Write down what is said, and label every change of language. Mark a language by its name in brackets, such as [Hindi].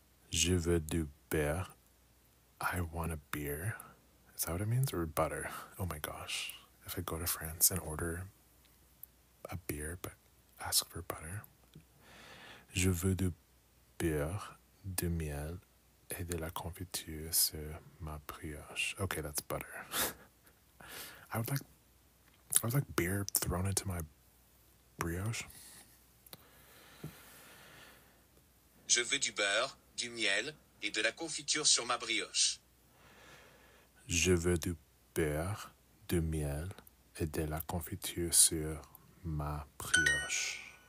[French] Je veux du beurre. [English] I want a beer. Is that what it means? Or butter? Oh my gosh. If I go to France and order a beer, but ask for butter. [French] Je veux du beurre, du miel, et de la confiture sur ma brioche. [English] Okay, that's butter. I would like beer thrown into my brioche. [French] Je veux du beurre, du miel, et de la confiture sur ma brioche. Je veux du beurre, du miel, et de la confiture sur ma brioche.